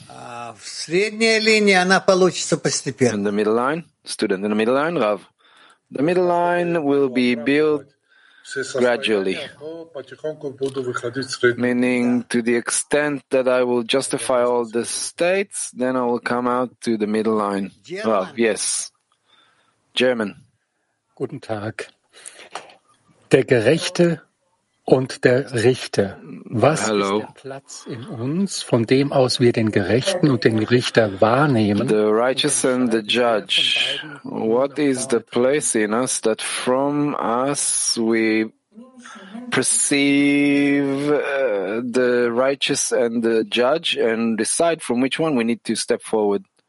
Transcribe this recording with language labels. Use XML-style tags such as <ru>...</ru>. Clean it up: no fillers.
<ru>В средняя линия она получится постепенно.</ru> <en>In the middle line, student. In the middle line, love. The middle line will be built gradually, meaning to the extent that I will justify all the states, then I will come out to the middle line. Well, yes, German.</en> <de>Guten Tag. Der Gerechte und der Richter. Was</de> <en>Hello.</en> <de>Ist der Platz in uns, von dem aus wir den Gerechten und den Richter wahrnehmen?</de> <en>The righteous and the judge. What is the place in us that from us we perceive the righteous and the judge and decide from which one we need to step forward?</en>